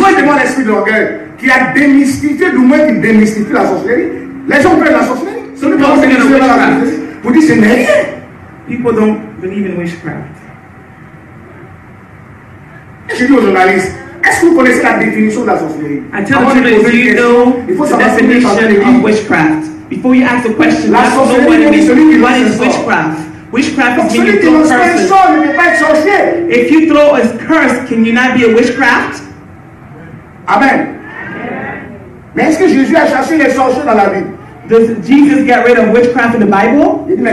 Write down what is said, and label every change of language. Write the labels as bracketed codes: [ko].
[fr] Quand je vois l'esprit de l'orgueil qui a démystifié, du moins qui démystifie la sorcellerie, les gens veulent la sorcellerie. Ce n'est pas aussi la sorcellerie. Vous dites, c'est rien. [en] People don't believe in witchcraft. [fr] Je dis aux journalistes, est-ce que vous connaissez la définition de la sorcellerie? [en] I tell them, do you know the definition of witchcraft? Before you ask the question, [fr] la sorcellerie, [en] what is, [fr] celui [en] what is witchcraft? Witchcraft is when you throw curses. If you throw a curse, can you not be a witchcraft? Amen. [fr] Mais est-ce que Jésus a chassé les sorciers dans la Bible? [en] Does Jesus get rid of witchcraft in the Bible?